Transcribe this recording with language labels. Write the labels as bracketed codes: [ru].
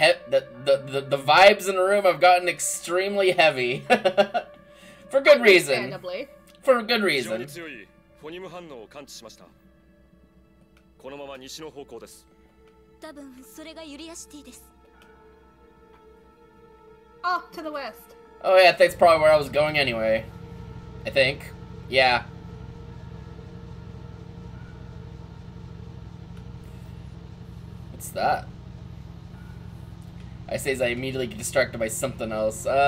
[en] The vibes in the room have gotten extremely heavy. For good reason. For good reason. [ja] 非常に強いフォニム反応を感知しました。このまま西の方向です。多分それがユリアシティです。 [en] Off to the west. Oh yeah, that's probably where I was going anyway. I think. Yeah. What's that? I say as I immediately get distracted by something else.